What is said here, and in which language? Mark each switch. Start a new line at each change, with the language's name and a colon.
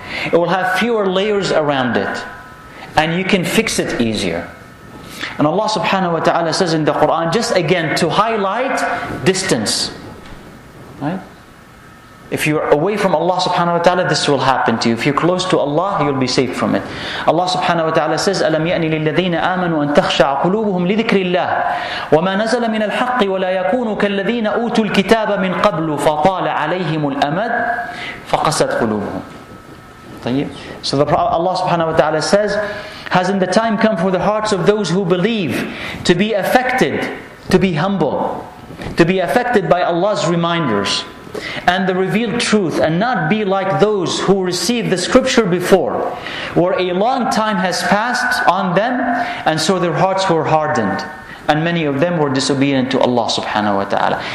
English: It will have fewer layers around it. And you can fix it easier. And Allah subhanahu wa ta'ala says in the Quran, just again to highlight distance. Right? If you're away from Allah subhanahu wa ta'ala, this will happen to you. If you're close to Allah, you'll be safe from it.
Arabic: Allah subhanahu wa ta'ala says, أَلَمْ يَأْنِ لِلَّذِينَ آمَنُوا أَن تَخْشَعَ قُلُوبُهُمْ لِذِكْرِ اللَّهِ وَمَا نَزَلَ مِنَ الْحَقِّ وَلَا يَكُونُوا كَالَّذِينَ أُوتُوا الْكِتَابَ مِنْ قَبْلُ فَطَالَ عَلَيْهِمُ الْأَمَدُ فَقَسَتْ قُلُوبُهُمْ.
English: So Allah subhanahu wa ta'ala says, hasn't the time come for the hearts of those who believe to be affected, to be humble, to be affected by Allah's reminders and the revealed truth, and not be like those who received the scripture before, where a long time has passed on them, and so their hearts were hardened, and many of them were disobedient to Allah subhanahu wa ta'ala.